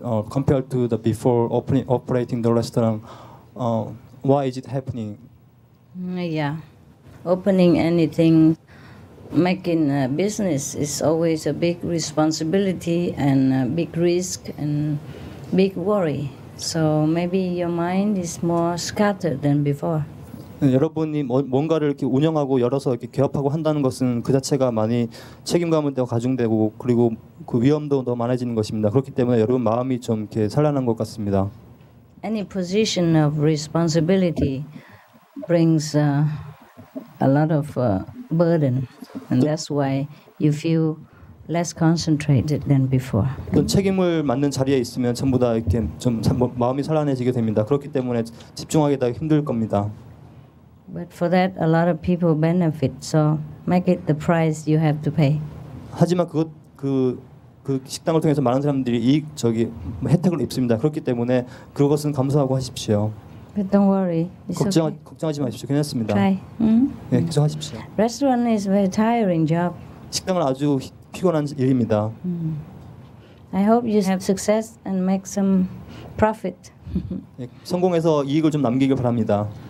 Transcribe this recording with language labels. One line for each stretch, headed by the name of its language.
English: Compared to the before operating the restaurant, why is it happening? Yeah, opening anything, making a business is always a big responsibility and a big risk and big worry. So maybe your mind is more scattered than before.
Korean: 여러분이 뭔가를 이렇게 운영하고 열어서 이렇게 개업하고 한다는 것은 그 자체가 많이 책임감은 더 가중되고 그리고 그 위험도 더 많아지는 것입니다. 그렇기 때문에 여러분 마음이 좀 이렇게 산란한 것 같습니다.
English: Any position of responsibility brings a lot of burden, and that's why you feel less concentrated than before.
Korean: 어떤 책임을 맡는 자리에 있으면 전부 다 이렇게 좀 마음이 산란해지게 됩니다. 그렇기 때문에 집중하기 더 힘들 겁니다.
English: But for that, a lot of people benefit. So make it the price you have to pay.
Korean: 하지만 그 식당을 통해서 많은 사람들이 이익 저기 혜택을 입습니다. 그렇기 때문에 그것은 감사하고 하십시오.
English: But don't worry. It's
Korean: 걱정하지 마십시오. 괜찮습니다.
English: Try.
Korean: 네, 계속하십시오.
English: Restaurant is a very tiring job.
Korean: 식당은 아주 피곤한 일입니다.
English: I hope you have success and make some profit.
Korean: 네, 성공해서 이익을 좀 남기길 바랍니다.